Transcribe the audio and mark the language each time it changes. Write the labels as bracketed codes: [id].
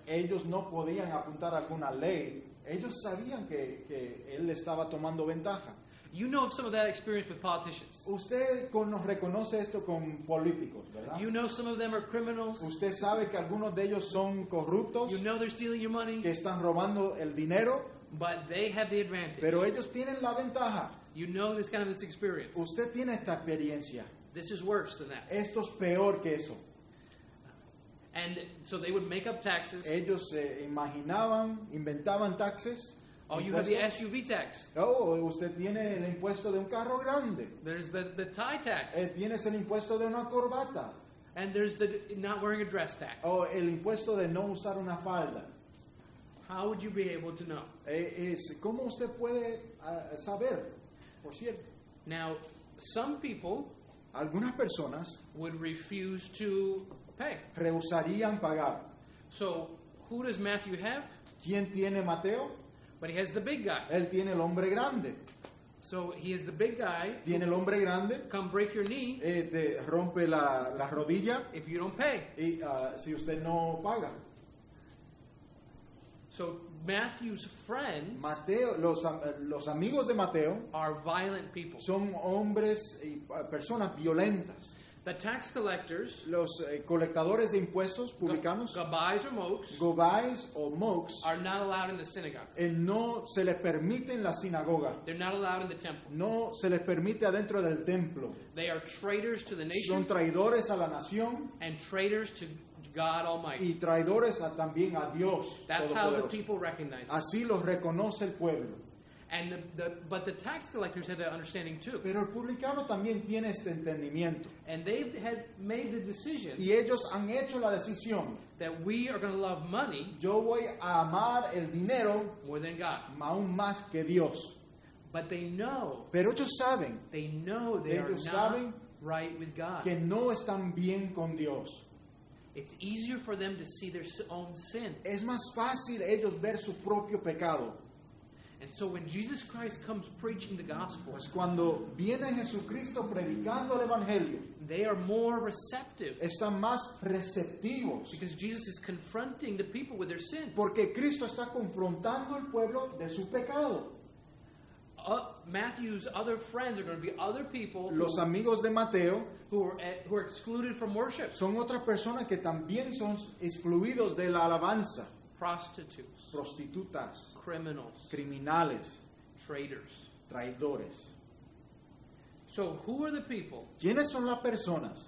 [es] Ellos no podían apuntar alguna ley. Ellos sabían que él estaba tomando ventaja. [en] You know of some of that experience with politicians. [es] Usted reconoce esto con políticos, ¿verdad? [en] You know some of them are criminals. [es] Usted sabe que algunos de ellos son corruptos. [en] You know they're stealing your money. [es] Que están robando el dinero. [en] But they have the advantage. [es] Pero ellos tienen la ventaja. [en] You know this kind of this experience. [es] Usted tiene esta experiencia. [en] This is worse than that. [es] Esto es peor que eso. [en] And so they would make up taxes. [es] Ellos se imaginaban, inventaban taxes. [en] Oh, you have the SUV tax. [es] Oh, usted tiene el impuesto de un carro grande. [en] There's the tie tax. [es] Tienes el impuesto de una corbata. [en] And there's the not wearing a dress tax. [es] Oh, el impuesto de no usar una falda. [en] How would you be able to know? [es] ¿Cómo usted puede saber? Por cierto. [en] Now, some people, [es] algunas personas, [en] would refuse to pay. [es] Rehusarían pagar. [en] So, who does Matthew have? [es] ¿Quién tiene Mateo? [en] But he has the big guy. [es] Él tiene el hombre grande. [en] So he is the big guy. [es] Tiene el hombre grande. [en] Come break your knee. [es] Te rompe la rodilla. [en] If you don't pay. [es] Y si usted no paga. [en] So Matthew's friends. [es] Mateo, los amigos de Mateo. [en] Are violent people. [es] Son hombres y personas violentas. [en] The tax collectors. [es] Los colectadores de impuestos publicanos. [en] Gabbais or mokes. [es] Gabbais o mokes. [en] Are not allowed in the synagogue. [es] No se les permite en la sinagoga. [en] They're not allowed in the temple. [es] No se les permite adentro del templo. [en] They are traitors to the nation. [es] Son traidores a la nación. [en] And traitors to God Almighty. [es] Y traidores también a Dios. [en] That's how the people recognize. [es] Así los reconoce el pueblo. [en] And but the tax collectors had that understanding too. [es] Pero el publicano también tiene este entendimiento. [en] And they've had made the decision. [es] Y ellos han hecho la decisión. [en] That we are going to love money. [es] Yo voy a amar el dinero. [en] More than God. [es] Aún más que Dios. [en] But they know. [es] Pero ellos saben. [en] They know they [es] ellos [en] are not [es] saben [en] right with God. [es] Que no están bien con Dios. [en] It's easier for them to see their own sin. [es] Es más fácil ellos ver su propio pecado. [en] And so when Jesus Christ comes preaching the gospel, [es] pues cuando viene Jesucristo predicando el evangelio, [en] they are more receptive. [es] Están más receptivos. [en] Because Jesus is confronting the people with their sin. [es] Porque Cristo está confrontando al pueblo de su pecado. [en] Matthew's other friends are going to be other people. [es] Los amigos de Mateo [en] who are excluded from worship. [es] Son otras personas que también son excluidos de la alabanza. [en] Prostitutes. [es] Prostitutas. [en] Criminals. [es] Criminales. [en] Traitors. [es] Traidores. [en] So who are the people? [es] ¿Quiénes son las personas?